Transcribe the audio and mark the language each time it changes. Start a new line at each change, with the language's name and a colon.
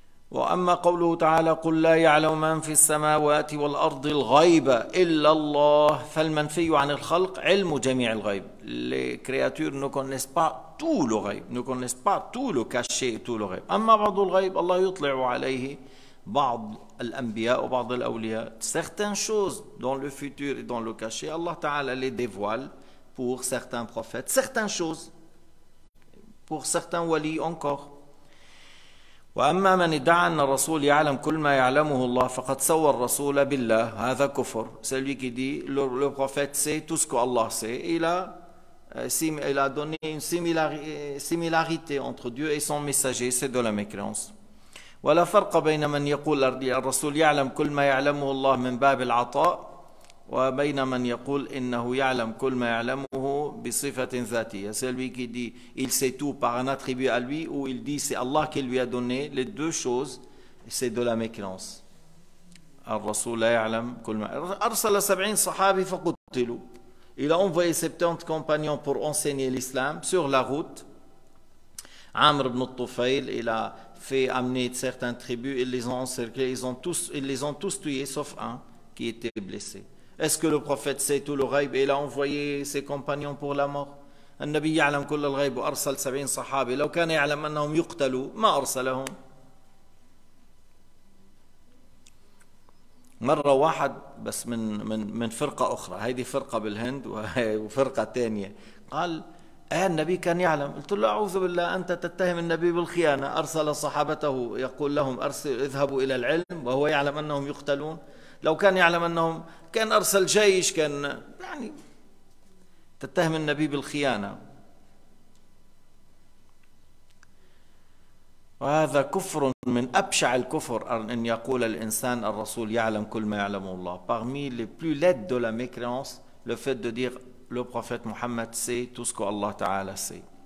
Arabic: وأما قوله تعالى قل لا يعلم من في السماوات والأرض الغيب إلا الله، فالمنفي عن الخلق علم جميع الغيب.
French: Les créatures ne connaissent pas tout le غيب, ne connaissent pas tout le caché, tout le غيب.
Arabic: أما بعض الغيب الله يطلع عليه بعض الأنبياء وبعض الأولياء.
French: Certaines choses dans le futur et dans le caché, Allah تعالى les dévoile pour certains prophètes. Certaines choses pour certains wali encore.
Arabic: وأما من ادعى أن الرسول يعلم كل ما يعلمه الله فقد سوى الرسول بالله، هذا كفر.
French: Celui qui dit le prophète sait tout ce que Allah sait, il a donné une similarité entre Dieu et son messager, c'est de la mécréance.
Arabic: ولا فرق بين من يقول الرسول يعلم كل ما يعلمه الله من باب العطاء، وبين من يقول انه يعلم كل ما يعلمه بصفه ذاتيه.
French: Celui qui dit il sait tout par un attribut à lui ou il dit c'est Allah qui lui a donné les deux choses, c'est de la mécréance.
Arabic: الرسول لا يعلم كل ما ارسل 70 صحابي فقتلوا.
French: Il a envoyé 70 compagnons pour enseigner l'islam sur la route. Amr ibn al-Tufayl, il a fait amener certaines tribus, ils les ont encerclés, ils les ont tous tués sauf un qui était blessé. Est-ce que le prophète sait tout le ghaib et il a envoyé ses compagnons pour la mort?
Arabic: An-nabi ya'lam kull al-ghaib wa arsal 70 sahaba, law kana ya'lam annahum yuqtalu ma arsalahum. مرة واحد بس من من من فرقة أخرى، هذه فرقة بالهند وفرقة تانية، قال النبي كان يعلم. قلت له أعوذ بالله، أنت تتهم النبي بالخيانة، أرسل صحابته يقول لهم اذهبوا إلى العلم وهو يعلم أنهم يقتلون؟ لو كان يعلم أنهم كان أرسل جيش، كان يعني تتهم النبي بالخيانة، وهذا كفر من أبشع الكفر أن يقول الإنسان الرسول يعلم كل ما يعلم الله.
French: Parmi les plus laid de la mécréance, le fait de dire le prophète Muhammad sait tout ce que Allah Ta'ala sait.